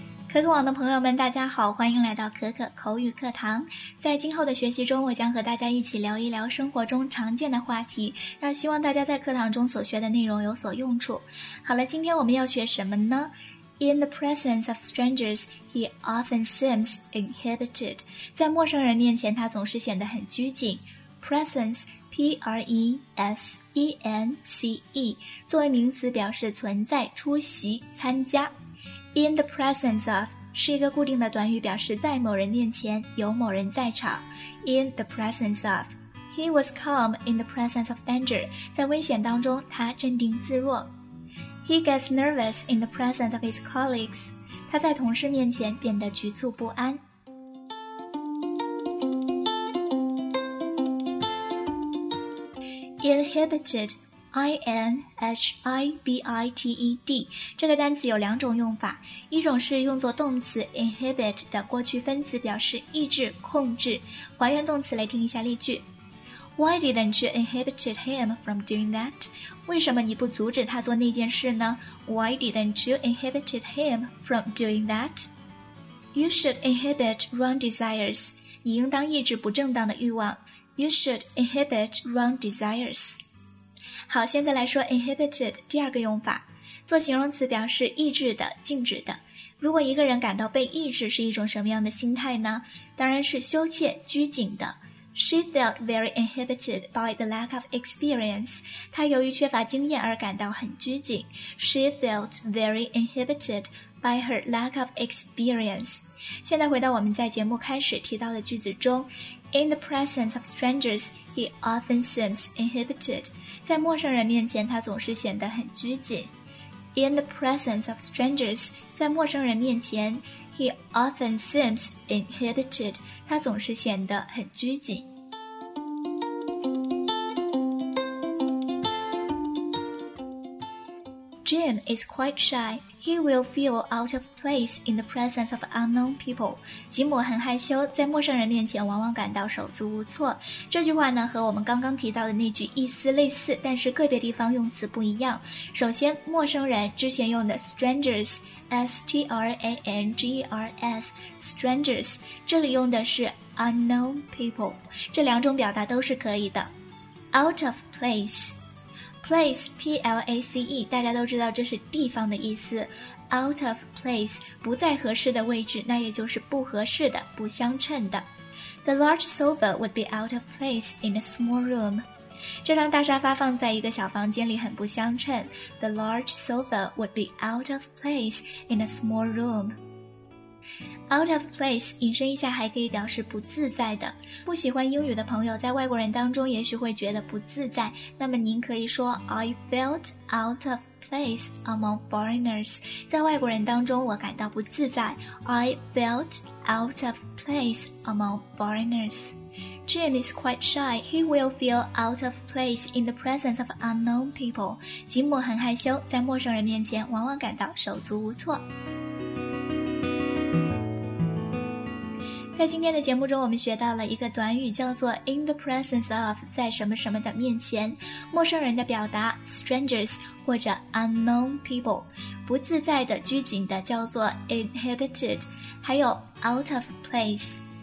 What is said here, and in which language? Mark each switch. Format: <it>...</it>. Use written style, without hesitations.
<zh>可可网的朋友们，大家好，欢迎来到可可口语课堂。在今后的学习中，我将和大家一起聊一聊生活中常见的话题，那希望大家在课堂中所学的内容有所用处。好了，今天我们要学什么呢？</zh> <en>In the presence of strangers, he often seems inhibited.</en> <zh>在陌生人面前，他总是显得很拘谨。 Presence, P-R-E-S-E-N-C-E, 作为名词表示存在、出席、参加。</zh> <en>In the presence of,</en> <zh>是一个固定的短语，表示在某人面前，有某人在场。</zh> <en>In the presence of, he was calm in the presence of danger.</en> <zh>在危险当中，他镇定自若。</zh> <en>He gets nervous in the presence of his colleagues.</en> <zh>他在同事面前变得局促不安。 Inhibited, I-N-H-I-B-I-T-E-D, 这个单词有两种用法，一种是用作动词 inhibit 的过去分词，表示抑制、控制。还原动词来听一下例句。</zh> <en>Why didn't you inhibit him from doing that?</en> <zh>为什么你不阻止他做那件事呢?</zh> <en>Why didn't you inhibit him from doing that? You should inhibit wrong desires.</en> <zh>你应当抑制不正当的欲望。</zh> <en>You should inhibit wrong desires.</en> <zh>好，现在来说 inhibited 第二个用法，做形容词表示抑制的、禁止的。如果一个人感到被抑制，是一种什么样的心态呢？当然是羞怯、拘谨的。</zh> <en>She felt very inhibited by the lack of experience.</en> <zh>她由于缺乏经验而感到很拘谨。</zh> <en>She felt very inhibited by her lack of experience.</en> <zh>现在回到我们在节目开始提到的句子中。</zh> <en>In the presence of strangers, he often seems inhibited.</en> <zh>在陌生人面前，他总是显得很拘谨。</zh> <en>In the presence of strangers,</en> <zh>在陌生人面前</zh> <en>he often seems inhibited.</en> <zh>他总是显得很拘谨。</zh> <en>Jim is quite shy. He will feel out of place in the presence of unknown people.</en> <zh>吉姆很害羞，在陌生人面前往往感到手足无措。这句话呢，和我们刚刚提到的那句意思类似，但是个别地方用词不一样。首先，陌生人之前用的 strangers, S-T-R-A-N-G-E-R-S, strangers, 这里用的是 unknown people. 这两种表达都是可以的。</zh> <en>Out of place.</en> <zh>Place, P-L-A-C-E, 大家都知道这是地方的意思。</zh> <en>Out of place,</en> <zh>不在合适的位置，那也就是不合适的、不相称的。</zh> <en>The large sofa would be out of place in a small room.</en> <zh>这张大沙发放在一个小房间里很不相称。</zh> <en>The large sofa would be out of place in a small room. Out of place,</en> <zh>引申一下还可以表示不自在的。不喜欢英语的朋友在外国人当中也许会觉得不自在，那么您可以说</zh> <en>I felt out of place among foreigners.</en> <zh>在外国人当中我感到不自在。</zh> <en>I felt out of place among foreigners. Jim is quite shy. He will feel out of place in the presence of unknown people.</en> <zh>吉姆很害羞，在陌生人面前往往感到手足无措。在今天的节目中，我们学到了一个短语，叫做</zh> <en>in the presence of,</en> <zh>在什么什么的面前。陌生人的表达 strangers 或者 unknown people, 不自在的、拘谨的叫做 inhibited, 还有 out of place。</zh>